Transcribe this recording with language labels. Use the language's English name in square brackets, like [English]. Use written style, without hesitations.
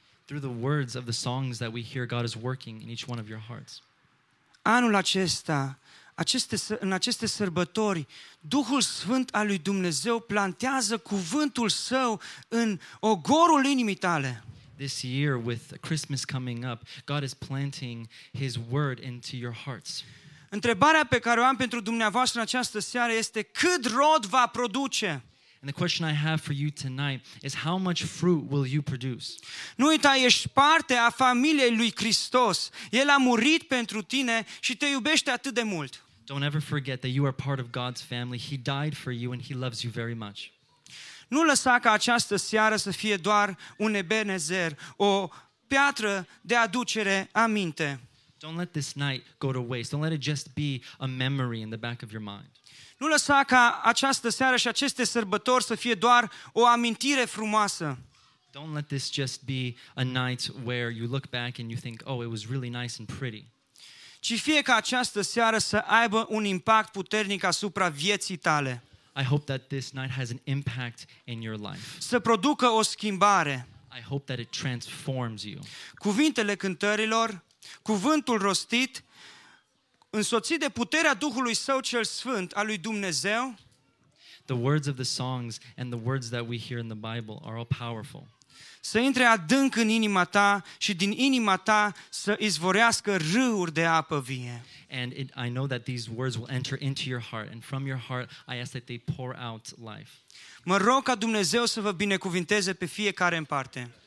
[English] Through the words of the songs that we hear, God is working in each one of your hearts. [Romanian] Anul acesta, în aceste sărbători, Duhul Sfânt al lui Dumnezeu plantează cuvântul său în ogorul inimii tale. [English] This year, with Christmas coming up, God is planting his word into your hearts. [Romanian] Întrebarea pe care o am pentru dumneavoastră în această seară este cât rod va produce? [English] And the question I have for you tonight is how much fruit will you produce? [Romanian] Nu uita, ești parte a familiei lui Hristos. El a murit pentru tine și te iubește atât de mult. [English] Don't ever forget that you are part of God's family. He died for you and he loves you very much. [Romanian] Nu lăsa ca această seară să fie doar un Ebenezer, o piatră de aducere aminte. [English] Don't let this night go to waste. Don't let it just be a memory in the back of your mind. [Romanian] Nu lăsa ca această seară și aceste sărbători să fie doar o amintire frumoasă. [English] Don't let this just be a night where you look back and you think, oh, it was really nice and pretty. [Romanian] Ci fie ca această seară să aibă un impact puternic asupra vieții tale. [English] I hope that this night has an impact in your life. [Romanian] Să producă o schimbare. [English] I hope that it transforms you. [Romanian] Cuvintele cântărilor, cuvântul rostit, însoțit de puterea Duhului Său cel Sfânt, al lui Dumnezeu. [English] The words of the songs and the words that we hear in the Bible are all powerful. [Romanian] Să intre adânc în inima ta și din inima ta să izvorească râuri de apă vie. [English] And I know that these words will enter into your heart and from your heart I ask that they pour out life. [Romanian] Mă rog ca Dumnezeu să vă binecuvinteze pe fiecare în parte.